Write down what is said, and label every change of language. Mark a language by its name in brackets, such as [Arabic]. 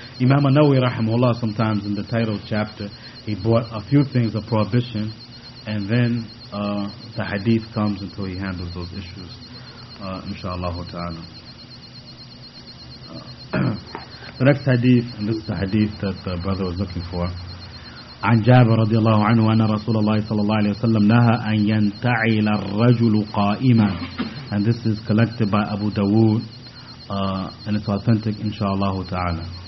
[English] Imam An-Nawawi rahimahullah, sometimes in the title chapter, he brought a few things of prohibition, and then the hadith comes until he handles those issues, inshallah ta'ala. The next hadith, and this is the hadith that the brother was looking for. [Arabic] عن جابر رضي الله عنه أن رسول الله صلى الله عليه وسلم نهى أن ينتعل الرجل قائما. [English] And this is collected by Abu Dawood. And it's authentic, inshallah ta'ala.